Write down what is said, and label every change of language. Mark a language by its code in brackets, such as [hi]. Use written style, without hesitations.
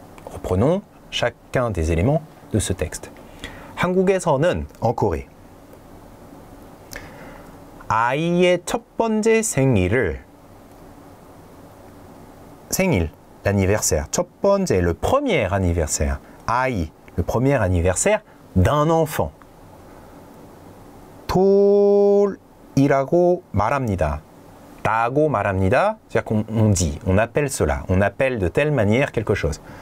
[fr] Reprenons chacun des éléments de ce texte. [ko] 한국에서는 [fr] en Corée. [ko] 아이의 첫 번째 생일을 생일, [fr] l'anniversaire. [ko] 첫 번째, [fr] le premier anniversaire. [ko] 아이, [fr] le premier anniversaire d'un enfant. [ko] 돌이라고 말합니다. 라고 말합니다. [fr] C'est-à-dire qu'on dit, on appelle cela, on appelle de telle manière quelque chose.